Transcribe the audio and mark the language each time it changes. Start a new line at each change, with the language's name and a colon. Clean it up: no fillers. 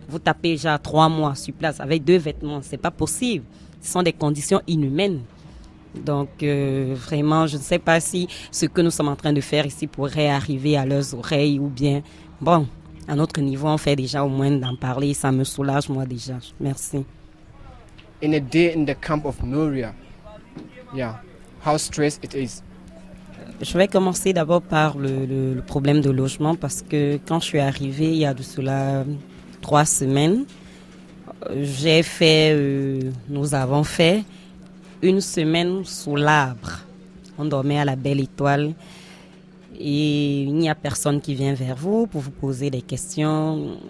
French: Vous tapez déjà 3 mois sur place avec 2 vêtements, c'est pas possible. Ce sont des conditions inhumaines. Donc, vraiment, je ne sais pas si ce que nous sommes en train de faire ici pourrait arriver à leurs oreilles ou bien... Bon, à notre niveau, on fait déjà au moins d'en parler. Ça me soulage, moi, déjà. Merci.
English: In a day in the camp of Moria, yeah, how stressed it is.
French: Je vais commencer d'abord par le problème de logement parce que quand je suis arrivée, il y a de cela 3 semaines, j'ai fait... nous avons fait... une semaine sous l'arbre. On dormait à la belle étoile et il n'y a personne qui vient vers vous pour vous poser des questions.